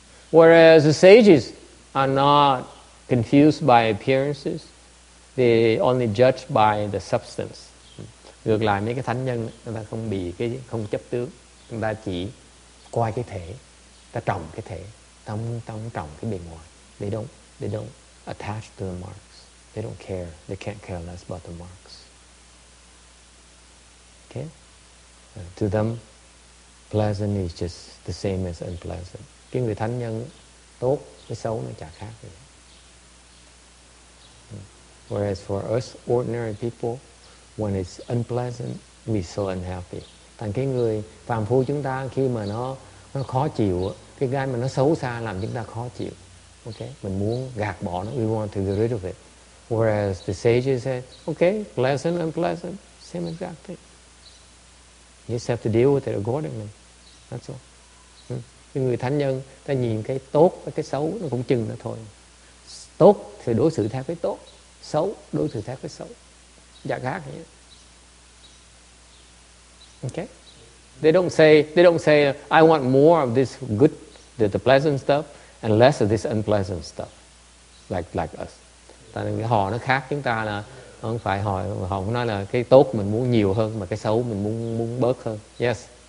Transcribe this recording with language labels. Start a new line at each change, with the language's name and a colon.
English: Whereas the sages are not confused by appearances. They only judge by the substance.
Vietnamese: Ngược lại mấy cái thánh nhân, người ta không bị cái, không chấp tướng. Người ta chỉ coi cái thể, ta trọng cái thể. tâm trọng cái bề ngoài.
English: They don't attach to the marks. They don't care. They can't care less about the marks. Okay? To them, pleasant is just the same as unpleasant.
Vietnamese: Cái người thánh nhân tốt với xấu nó chả khác gì.
English: Whereas for us ordinary people, when it's unpleasant, we're so unhappy.
Vietnamese: Thành cái người phàm phu chúng ta khi mà nó khó chịu, cái gai mà nó xấu xa làm chúng ta khó chịu.
English: Okay,
Vietnamese: mình muốn gạt bỏ nó.
English: We want to get rid of it. Whereas the sages said, okay, pleasant, unpleasant, same exact thing. You just have to deal with it accordingly. That's all.
Vietnamese: Cái người thánh nhân ta nhìn cái tốt và cái xấu nó cũng chừng nó thôi. Tốt thì đối xử theo cái tốt, xấu đối xử theo cái xấu. Dạ khác vậy. Okay?
English: They don't say I want more of this good, the pleasant stuff and less of this unpleasant stuff. Like us.
Vietnamese: Tại vì họ nó khác chúng ta là không phải họ họ không nói là cái tốt mình muốn nhiều hơn mà cái xấu mình muốn bớt hơn. Yes.